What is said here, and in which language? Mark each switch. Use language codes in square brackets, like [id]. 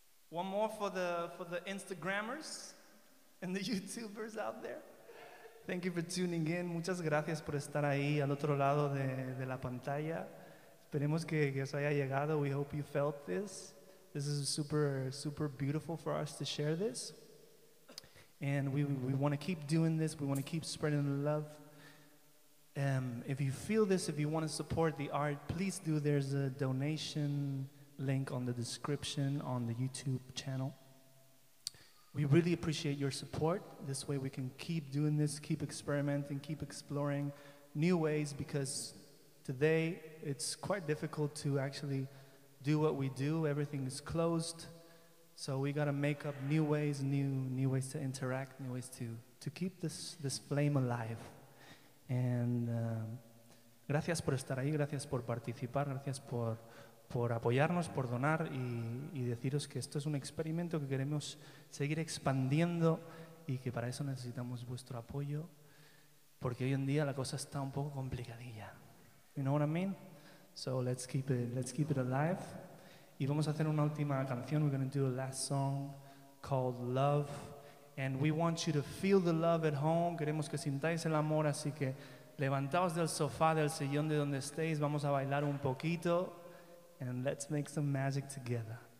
[en] One more for the Instagrammers and the YouTubers out there. Thank you for tuning in. [es] Muchas gracias por estar ahí al otro lado de la pantalla. Esperemos que os haya llegado. [en] We hope you felt this. This is super, super beautiful for us to share this. And we want to keep doing this. We want to keep spreading the love. If you feel this, if you want to support the art, please do. There's a donation link on the description on the YouTube channel. We really appreciate your support. This way we can keep doing this, keep experimenting, keep exploring new ways, because today it's quite difficult to actually do what we do. Everything is closed. So we got to make up new ways, new ways to interact, new ways to keep this flame alive. [es] And gracias por estar ahí, gracias por participar, gracias por apoyarnos, por donar y deciros que esto es un experimento que queremos seguir expandiendo y que para eso necesitamos vuestro apoyo, porque hoy en día la cosa está un poco complicadilla. [en] You know what I mean? So let's keep it alive. [es] Y vamos a hacer una última canción. [en] We're going to do a last song called Love. And we want you to feel the love at home. [es] Queremos que sintáis el amor, así que levantaos del sofá, del sillón, de donde estéis. Vamos a bailar un poquito. [en] And let's make some magic together.